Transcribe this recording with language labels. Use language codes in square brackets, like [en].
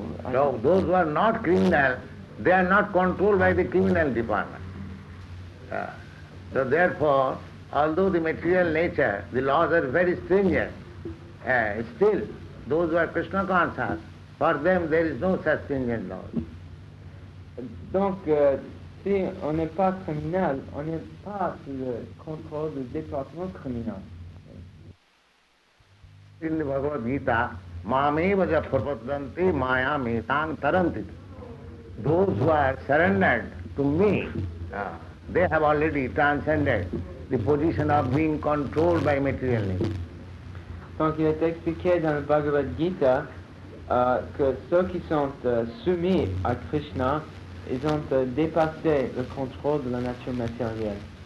[en] So, those who are not criminal, they are not controlled by the criminal department. So therefore, although the material nature, the laws are very stringent, still, those who are Krishna conscious, for them there is no such stringent laws. [fr] Donc, si on n'est pas criminal, on n'est pas sous le contrôle du département criminel. [en] In the Bhagavad Gita, [sa] Mameva japrapadanti maya me tang tarantit. [en] Those who are surrendered to me, they have already transcended the position of being controlled by material nature. [fr] Donc il est expliqué dans le Bhagavad Gita que ceux qui sont soumis à Krishna, ils ont dépassé le contrôle de la nature matérielle.